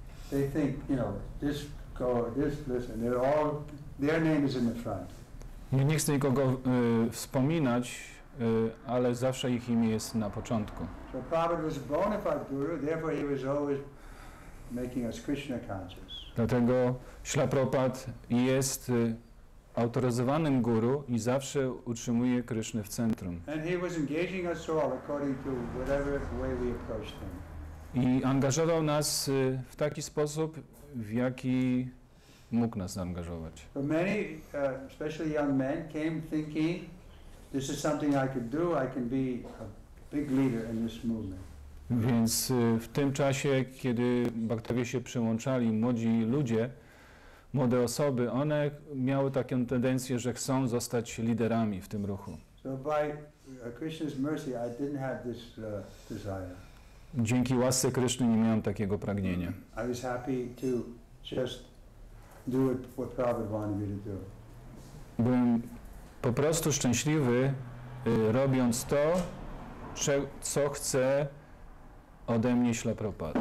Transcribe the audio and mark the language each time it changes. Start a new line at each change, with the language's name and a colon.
English: They think, you know, this go, this listen. They're all, their name is in the front.
Polish: Nie chcę nikogo wspominać, ale zawsze ich imię jest na początku.
English: So Prabhupada was a bona fide guru, therefore he was always making us Krishna conscious.
Polish: Dlatego Śrīla Prabhupada jest autoryzowanym guru i zawsze utrzymuje Krishnę w centrum.
English: And he was engaging us all according to whatever way we approached him.
Polish: I angażował nas w taki sposób, w jaki mógł nas zaangażować.
English: Many, especially young men, came thinking, this is something I could do, I can be a big leader in this movement.
Polish: Więc w tym czasie, kiedy Bhaktowie się przyłączali, młodzi ludzie, młode osoby, one miały taką tendencję, że chcą zostać liderami w tym ruchu.
English: So by Krishna's mercy, I didn't have this desire.
Polish: Dzięki łasce Kryszny nie miałem takiego pragnienia.
English: I was happy to just do what Prabhupada wanted me to do.
Polish: Byłem po prostu szczęśliwy, robiąc to, co chce ode mnie Śrīla Prabhupada.